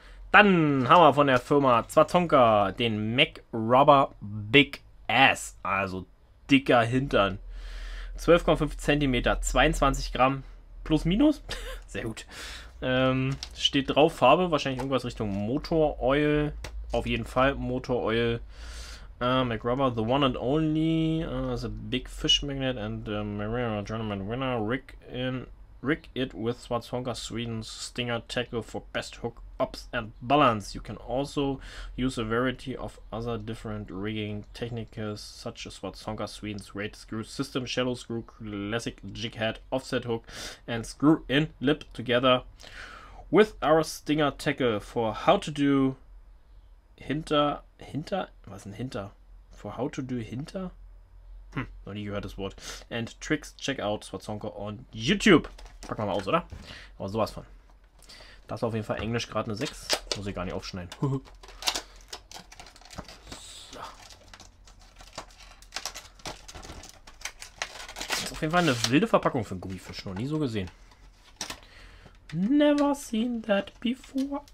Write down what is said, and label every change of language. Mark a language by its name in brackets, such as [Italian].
[German] Dann haben wir von der Firma Zwartonka den Mac Rubber Big Ass. Also dicker Hintern. 12,5 cm, 22 Gramm plus minus. Sehr gut. Steht drauf Farbe, wahrscheinlich irgendwas Richtung Motor Oil. Auf jeden Fall Motor Oil. Mac Rubber, [English] the one and only. The Big Fish Magnet and the Mariana Tournament Winner. Rig it with Zwartonka Sweden Stinger Tackle for best hook. Ups and balance. You can also use a variety of other different rigging techniques, such as Zwartonka Sweden's great screw system, shallow screw, classic jig head, offset hook, and screw in lip together with our Stinger tackle for how to do hinter, [German] was ein hinter, [English] for how to do hinter, [German] noch nie gehört das Wort, [English] and tricks. Check out Zwartonka on YouTube. [German] Packen wir mal aus, oder? Aber sowas von. Das war auf jeden Fall Englisch gerade eine 6. Muss ich gar nicht aufschneiden. So. Auf jeden Fall eine wilde Verpackung für einen Gummifisch. Noch nie so gesehen. [English] Never seen that before.